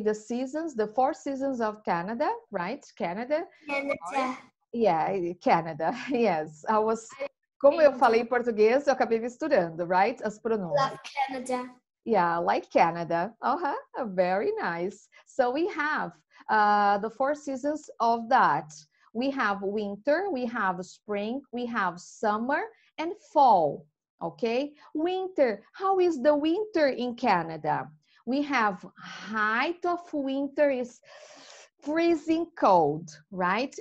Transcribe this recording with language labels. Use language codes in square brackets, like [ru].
[en] The seasons, the four seasons of Canada, right? Canada. Canada. Yeah, Canada, yes. I was, [pt] como eu falei em português, eu acabei me misturando, right? [en] As pronúncias. Love Canada. Yeah, like Canada. Uh-huh. Very nice. So we have the four seasons of that. We have winter, we have spring, we have summer and fall. Okay? Winter. How is the winter in Canada? We have height of winter is freezing cold, right?